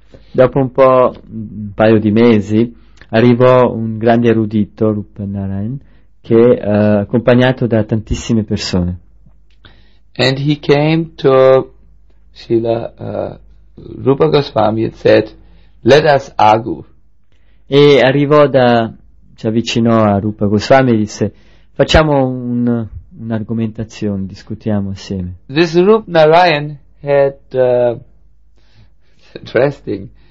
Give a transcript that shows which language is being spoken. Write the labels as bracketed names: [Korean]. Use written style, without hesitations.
[Italian] Dopo un paio di mesi, arrivò un grande erudito, Rupa Narayan, che accompagnato da tantissime persone. [English] And he came to Srila Rupa Goswami and said, "Let us argue." [Italian] E arrivò da, ci avvicinò a Rupa Goswami e disse: "Facciamo un'argomentazione, discutiamo assieme." [English] This Rupa Narayan had interesting.